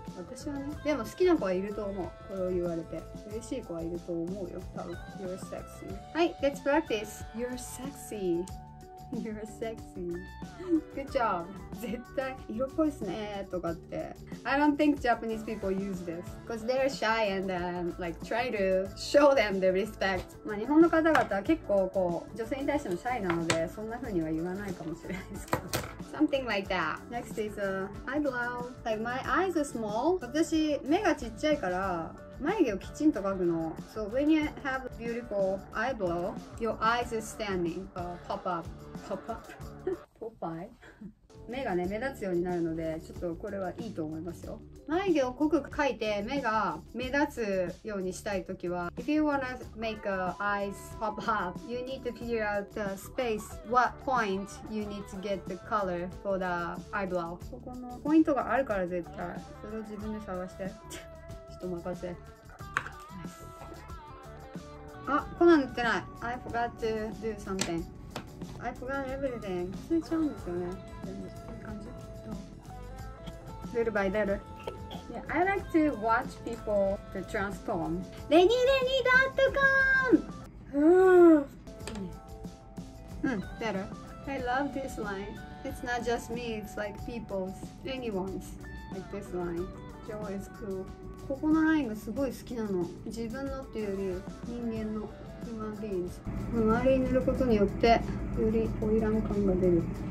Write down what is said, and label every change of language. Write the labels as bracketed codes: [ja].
[ja] 私はね、でも好きな子はいると思う。これを言われて。嬉しい子はいると思うよ。多分 [en] You're sexy. [ja] はい、 [en] Let's practice. You're sexy. You're sexy. Good job. [ja] 絶対色っぽいですねとかって。 [en] I don't think Japanese people use this. Because they're shy and like try to show them the respect. [ja] まあ日本の方々は結構こう女性に対してもシャイなのでそんな風には言わないかもしれないですけど。 [en] Something like that. Next is a eyebrow. Like my eyes are small. [ja] 私目がちっちゃいから眉毛をきちんと描くの。 [en] So when you have a beautiful eyebrow, your eyes are standing. Pop up. Pop up? Popeye? [ja] 目がね、目立つようになるので、ちょっとこれはいいと思いますよ。眉毛を濃く描いて、目が目立つようにしたいときは、 [en] If you wanna make a eyes pop up, you need to figure out the space, what point you need to get the color for the eyebrow. [ja] ここのポイントがあるから絶対。それを自分で探して。お任せ。あ、コナン塗ってない。 [en] I forgot to do something. I forgot everything. [ja] 忘れちゃうんですよね。全部、こういう感じ。 [en] Little by little. Yeah, I like to watch people to transform. renireni.com! better. I love this line. It's not just me, it's like people's, anyone's. Like this line. Always cool. [ja] ここのラインがすごい好きなの。自分のっていうより人間の [en] human beings。 [ja] 周りに塗ることによってよりオイラン感が出る。